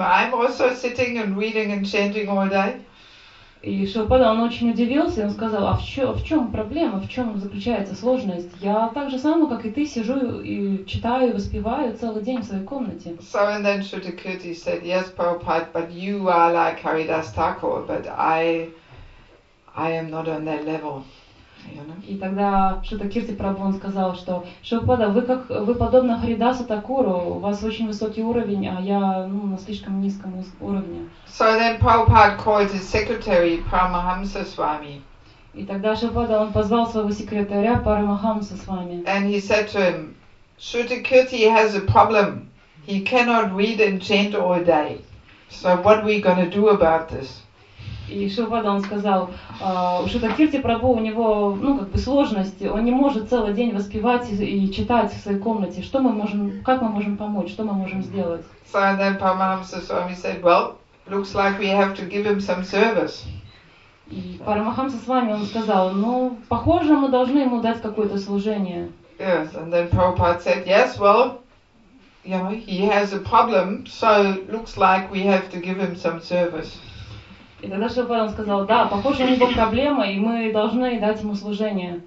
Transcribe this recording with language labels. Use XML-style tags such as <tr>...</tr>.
<en>I'm also sitting and reading and chanting all day."</en> <ru>И Шилпада, он очень удивился, он сказал, "А в чем проблема? В чем заключается сложность? Я так же сам, как и ты, сижу и читаю, и воспеваю целый день в своей комнате."</ru> <en>So and then Shruti Kirti said, "Yes, Prabhupada, but you are like Haridas Thakur, but I am not on that level."</en> <ru>И тогда Шрута Кирти Прабху сказал, что Шилпада, вы подобны Харидасу Такуру, у вас очень высокий уровень, а я на слишком низком уровне.</ru> <en>So then Prabhupada called his secretary Paramahamsa Swami.</en> <ru>И тогда Шилпада он позвал своего секретаря Парамахамса Свами.</ru> <en>And he said to him, "Shruti Kirti has a problem. He cannot read and chant all day. So what are we gonna do about this?"</en> <ru>И Шилпада, он сказал, Шрута Кирти Прабху, у него, сложности, он не может целый день воспевать и читать в своей комнате. Что мы можем, как мы можем помочь, что мы можем сделать?</ru> <en>So then Paramahamsa Swami said, "Well, looks like we have to give him some service."</en> <ru>И Парамахамса Свами, он сказал, похоже, мы должны ему дать какое-то служение.</ru> <en>Yes, and then Prabhupada said, "Yes, well, you know, he has a problem, so looks like we have to give him some service."</en> <ru>И тогда Шилпада сказал, "Да, похоже, у него проблема, и мы должны дать ему служение."</ru>